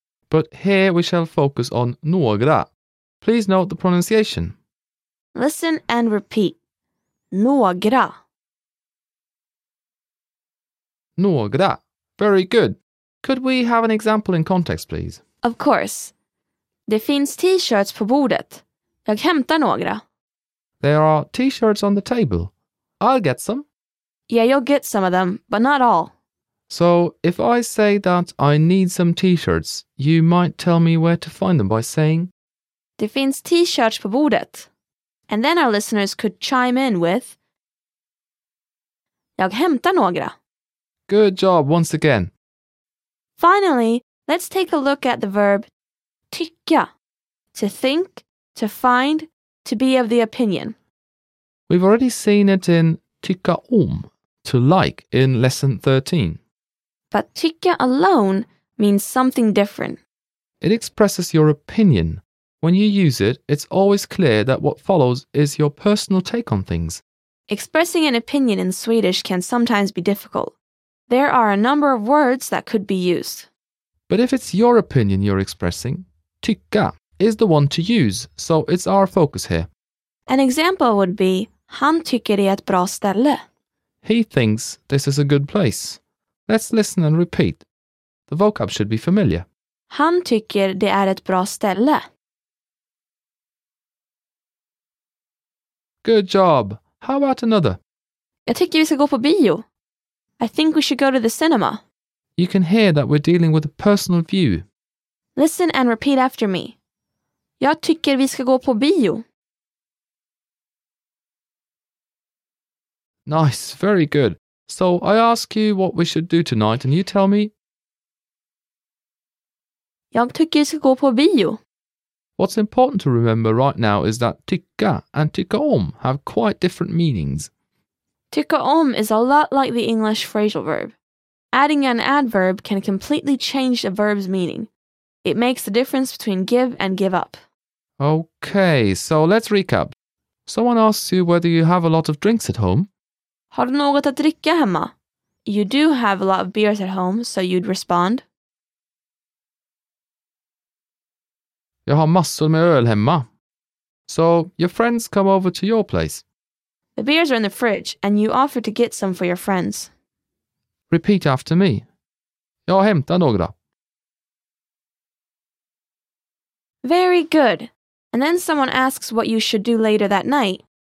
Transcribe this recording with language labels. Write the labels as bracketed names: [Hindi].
[English] But here we shall focus on några. Please note the pronunciation. Listen and repeat. Några. Några. Very good. Could we have an example in context, please? Of course. [Swedish] Det finns t-shirts på bordet. Jag hämtar några. [English] There are t-shirts on the table. I'll get some. Yeah, you'll get some of them, but not all. So, if I say that I need some t-shirts, you might tell me where to find them by saying... [Swedish] Det finns t-shirts på bordet. [English] And then our listeners could chime in with... [Swedish] Jag hämtar några. [English] Good job, once again. Finally, let's take a look at the verb tycka, to think, to find, to be of the opinion. We've already seen it in tycka om, to like, in lesson 13. But tycka alone means something different. It expresses your opinion. When you use it, it's always clear that what follows is your personal take on things. Expressing an opinion in Swedish can sometimes be difficult. There are a number of words that could be used. But if it's your opinion you're expressing, tycka is the one to use, so it's our focus here. An example would be, [Swedish] han tycker det är ett bra ställe. [English] He thinks this is a good place. Let's listen and repeat. The vocab should be familiar. [Swedish] Han tycker det är ett bra ställe. [English] Good job. How about another? [Swedish] Jag tycker vi ska gå på bio. [English] I think we should go to the cinema. You can hear that we're dealing with a personal view. Listen and repeat after me. [Swedish] Jag tycker vi ska gå på bio. [English] Nice, very good. So I ask you what we should do tonight and you tell me. [Swedish] Jag tycker vi ska gå på bio. [English] What's important to remember right now is that tycka and tycka om have quite different meanings. Tycka om is a lot like the English phrasal verb. Adding an adverb can completely change a verb's meaning. It makes the difference between give and give up. Okay, so let's recap. Someone asks you whether you have a lot of drinks at home. [Swedish] Har du något att dricka hemma? [English] You do have a lot of beers at home, so you'd respond. [Swedish] Jag har massor med öl hemma. [English] So, your friends come over to your place. The beers are in the fridge, and you offer to get some for your friends. Repeat after me. [Swedish] Jag hämtar några. [English] Very good. And then someone asks what you should do later that night.